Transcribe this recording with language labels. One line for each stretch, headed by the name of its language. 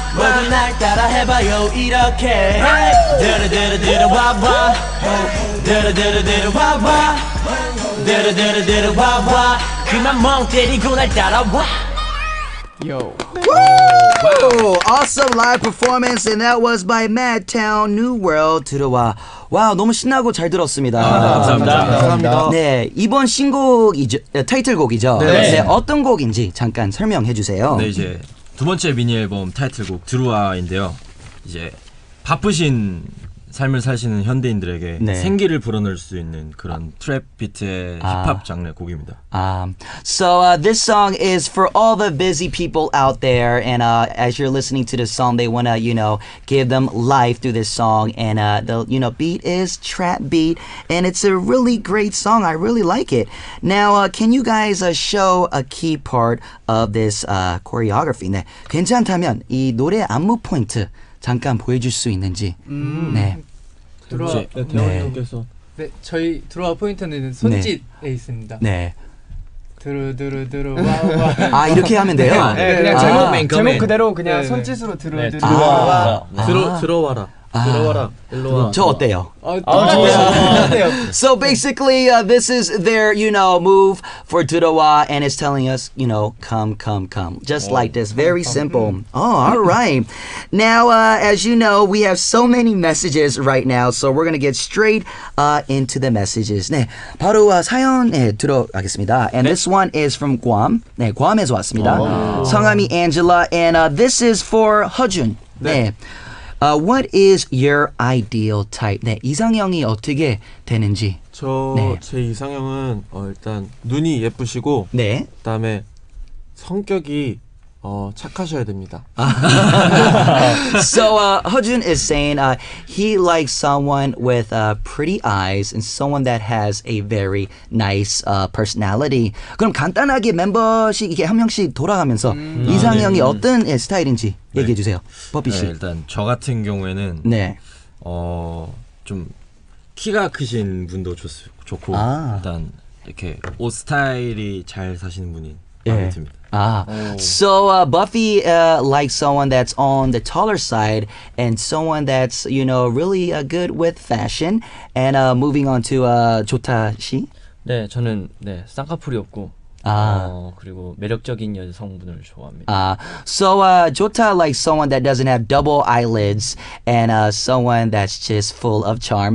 Korean: 모두 날 따라 해봐요 이렇게 두루두루두루 와와 두루두루두루 와와 두루두루두루 와와 그만 멍 때리고 날 따라와
English: Yo. Woo! Awesome live performance and that was by MADTOWN New World 들어와.
Korean: 와, 너무 신나고 잘 들었습니다. 아, 감사합니다. 감사합니다. 감사합니다. 네, 이번 신곡이죠. 타이틀곡이죠. 네. 네, 어떤 곡인지 잠깐 설명해 주세요. 네, 이제 두 번째 미니 앨범 타이틀곡 들어와인데요. 이제 바쁘신 삶을 사시는 현대인들에게 네. 생기를 불어넣을 수 있는 그런 트랩 비트의 힙합 장르 곡입니다.
English: So this song is for all the busy people out there and as you're listening to the song they want to you know give them life through this song and the you know beat is trap beat and it's a really great song. I really like it. Now can you guys show a key part of this choreography?
Korean: 네. 괜찮다면 이 노래 안무 포인트 잠깐 보여줄 수 있는지 네 들어와 네, 대원님께서 네. 네 저희 들어와 포인트는 손짓에 네. 있습니다 네 두루두루두루 와와 아 이렇게 하면 돼요? 네, 네. 그냥 제목 맨 거면 제목 그대로 그냥 네네. 손짓으로 두루두루 네, 들어와 아. 들어와라 들어와라, 일로와. 저 어때요?
English: So basically, this is their, you know, move for 들어와, and it's telling us, you know, come, come, come. Just like this, very simple. Oh, all right. Now, as you know, we have so many messages right now, so we're going to get straight into the messages.
Korean: 네, 바로 사연에 들어가겠습니다.
English: And 네? this one is from Guam.
Korean: 네, Guam에서 왔습니다. 성함이
English: Angela, and this is for 허준.
Korean: 네. 네.
English: What is your ideal type?
Korean: 네, 이상형이 어떻게 되는지. 저 제 네. 이상형은 일단 눈이 예쁘시고 네. 그다음에 성격이 착하셔야 됩니다.
English: So, Hojun is saying he likes someone with pretty eyes and someone that has a very nice personality.
Korean: 그럼 간단하게 멤버씩 이렇게 한 명씩 돌아가면서 이상형이 네. 어떤 스타일인지 네. 얘기해 주세요. 버피 씨. 네, 일단 저 같은 경우에는 네. 좀 키가 크신 분도 좋고 아. 일단 이렇게 옷 스타일이 잘 사시는 분이 마음에 네. 듭니다.
English: So Buffy likes someone that's on the taller side and someone that's, you know, really good with fashion. And moving on to Jota 씨.
Korean: 네, 저는 네, 쌍꺼풀이 없고 그리고 매력적인 여성분을 좋아합니다.
English: So Jota likes someone that doesn't have double eyelids and someone that's just full of charm.